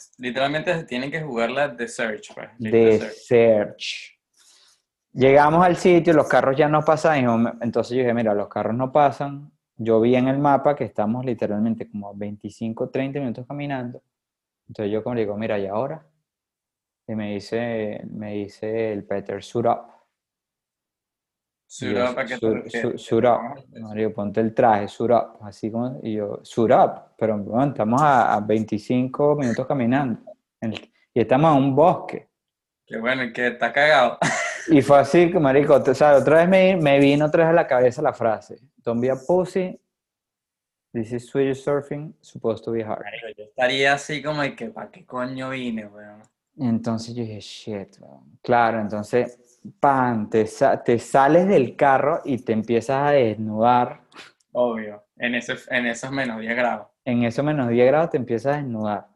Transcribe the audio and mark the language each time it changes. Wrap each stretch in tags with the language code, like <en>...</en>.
<es>literalmente se tienen que jugar la de search, pues, de de</es> <en>search. search.</en> <es>Llegamos al sitio, los carros ya no pasan, entonces yo dije, mira, los carros no pasan. Yo vi en el mapa que estamos literalmente como 25, 30 minutos caminando. Entonces yo como le digo, mira, ¿y ahora? Y me dice el Peter, suit up. Y es, ¿Para qué te refieres? suit up. Me digo, ponte el traje, suit up. Así como, y yo, suit up. Pero bueno, estamos a 25 minutos caminando. Y estamos en un bosque. Qué bueno, y que está cagado. Y fue así, marico, o sea, otra vez me vino otra vez a la cabeza la frase.</es> <en>Don't be a pussy, this is Swedish surfing, supposed to be hard.</en> <es>Yo estaría así como de que ¿para qué coño vine, weón? Y entonces yo dije, shit, man. Claro, entonces, pan, te sales del carro y te empiezas a desnudar. Obvio, en esos menos 10 grados. En esos menos 10 grados te empiezas a desnudar.</es>